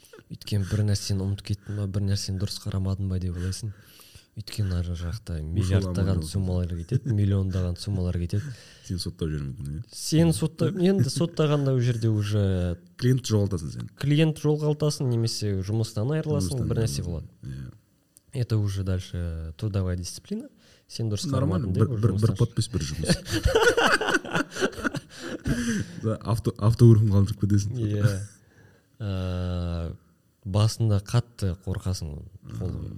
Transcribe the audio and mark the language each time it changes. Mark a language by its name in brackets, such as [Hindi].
[Kazakh] Өйткені бір нәрсені ұмытып кеттің ба, бір нәрсені дұрыс қарамадың ба деп ойлайсың. Өйткені ар жақта миллиардтаған сумалар кетеді, миллиондаған сумалар кетеді. Сен соттап жүрмейсің, иә? Сен соттап, енді соттағанда ол жерде уже клиент жоғалтасың сен. Клиент жоғалтасың, немесе жұмыстан айырыласың, бір нәрсе болады. Иә. [Russian] Это уже дальше трудовая дисциплина. [Kazakh] Сен дұрыс қарамадың деп жұмыстан. Бір подпись, бір жұмыс. Да, автоөрім қалып кетесің. Иә. Басында қатты қорқасың қол.